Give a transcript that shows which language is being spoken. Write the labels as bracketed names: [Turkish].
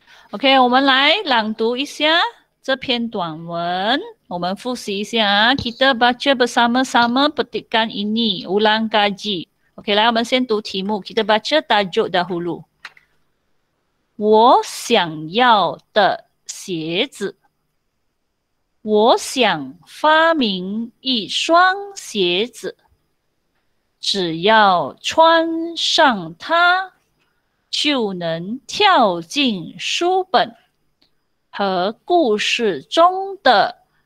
[Chinese] OK， 我们来朗读一下这篇短文。我们复习一下 [Malay] ，kita baca bersama-sama petikan ini ulang kaji。 [Chinese] OK， 来，我们先读题目 ， [Malay] kita baca tajuk dahulu。 [Chinese] 我想要的鞋子，我想发明一双鞋子，只要穿上它，就能跳进书本和故事中的。